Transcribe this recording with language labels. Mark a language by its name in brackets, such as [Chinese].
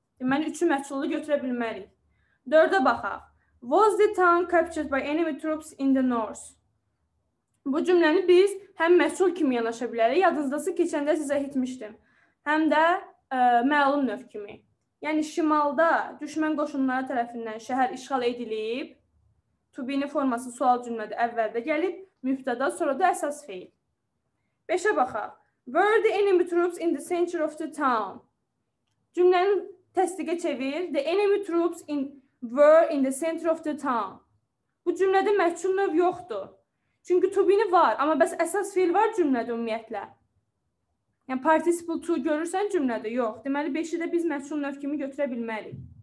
[Azerbaijani] Deməli, üçü məçhulu götürə bilmərik. Dördə baxaq. [English] Was the town captured by enemy troops in the north? [Azerbaijani] Bu cümləni biz həm məçhul kimi yanaşa bilərik. Yadınızdası keçəndə sizə etmişdim. Həm də məlum növ kimi. Yəni, şimalda düşmən qoşunları tərəfindən şəhər işğal edilib. To be-nin forması sual cümlədir. Əvvəldə gəlib, mübtəda, sonra da əsas feil. Beşə baxaq. [English] Were the enemy troops in the center of the town? [Azerbaijani] Cümlənin təsdiqə çevir. [English] The enemy troops were in the center of the town. [Azerbaijani] Bu cümlədə məçhul növ yoxdur. Çünki to be-ni var, amma bəs əsas fiil var cümlədə ümumiyyətlə. Yəni participle to görürsən cümlədə yox. Deməli 5-i də biz məçhul növ kimi götürə bilmərik.